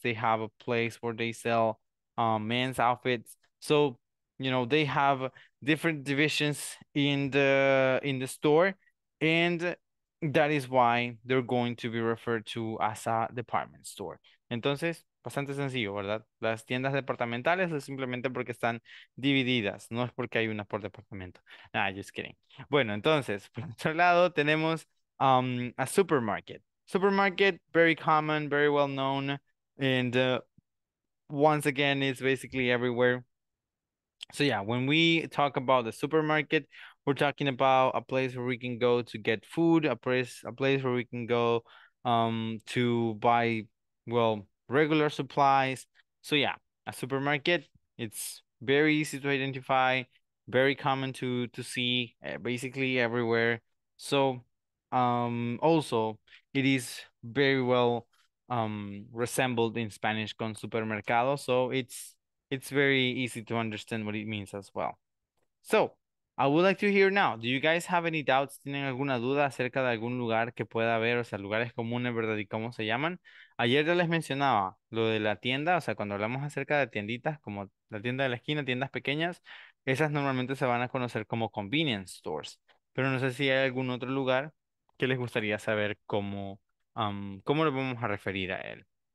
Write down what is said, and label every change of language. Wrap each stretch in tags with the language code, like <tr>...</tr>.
<en>They have a place where they sell men's outfits. So, you know, they have different divisions in the store. And that is why they're going to be referred to as a department store.</en> <es>Entonces, bastante sencillo, ¿verdad? Las tiendas departamentales es simplemente porque están divididas, no es porque hay una por departamento.</es> <en>Nah, just kidding.</en> <es>Bueno, entonces, por otro lado, tenemos a supermarket.</es> <en>Supermarket, very common, very well known, and once again, it's basically everywhere. So yeah, when we talk about the supermarket, we're talking about a place where we can go to get food, a place where we can go to buy, well, regular supplies. So yeah, a supermarket, it's very easy to identify, very common to see basically everywhere. So also it is very well resembled in Spanish</en> <es>con supermercado,</es> <en>so it's very easy to understand what it means as well. So I would like to hear now, do you guys have any doubts?</en> <es>¿Tienen alguna duda acerca de algún lugar que pueda haber? O sea, lugares comunes, ¿verdad? ¿Y cómo se llaman? Ayer ya les mencionaba lo de la tienda. O sea, cuando hablamos acerca de tienditas, como la tienda de la esquina, tiendas pequeñas, esas normalmente se van a conocer como convenience stores. Pero no sé si hay algún otro lugar que les gustaría saber cómo, cómo lo vamos a referir a él.</es>